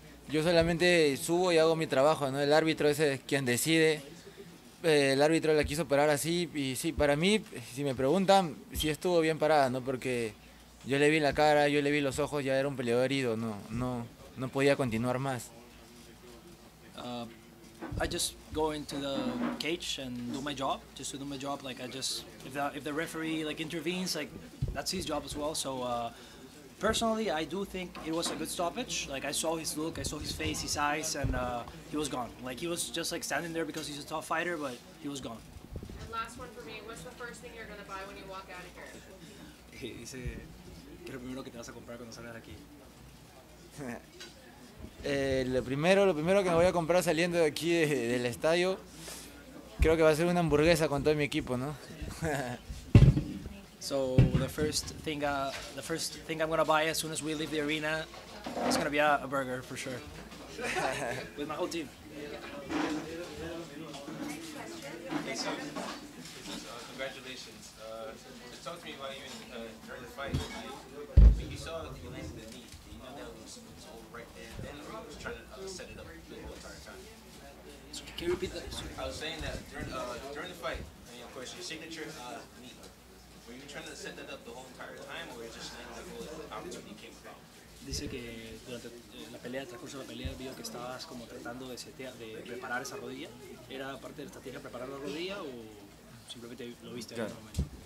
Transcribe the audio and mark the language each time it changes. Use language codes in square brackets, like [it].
[es] Yo solamente subo y hago mi trabajo, ¿no? El árbitro ese es quien decide. El árbitro la quiso parar así y sí, para mí, si me preguntan, sí estuvo bien parada, ¿no? Porque yo le vi la cara, yo le vi los ojos, ya era un peleador herido, no podía continuar más. [en] I just go into the cage and do my job, like I just, if the referee like intervenes, like that's his job as well, so personally I do think it was a good stoppage, like I saw his look, I saw his face, his eyes, and he was gone, like he was just like standing there because he's a tough fighter, but he was gone. And last one for me, what's the first thing you're gonna buy when you walk out of here? He said, [es] ¿qué es lo primero que te vas a comprar cuando salgas de aquí? Lo primero que me voy a comprar saliendo de aquí del estadio, creo que va a ser una hamburguesa con todo mi equipo, ¿no? [en] So the first thing I'm gonna buy as soon as we leave the arena is gonna be a burger for sure with my whole team. Congratulations. Talk to me about you during the fight. You saw you landed the knee. You know that was all right there. Then you was trying to set it up the entire time. So can you repeat that? I was saying that during the fight, and of course, your signature knee. Were you trying to set that up the whole entire time, or were you just landing the whole opportunity came about? [es] Dice que durante la pelea, el transcurso de la pelea, vio que estabas como tratando de preparar esa rodilla. ¿Era parte de la estrategia preparar la rodilla o simplemente lo viste en el momento?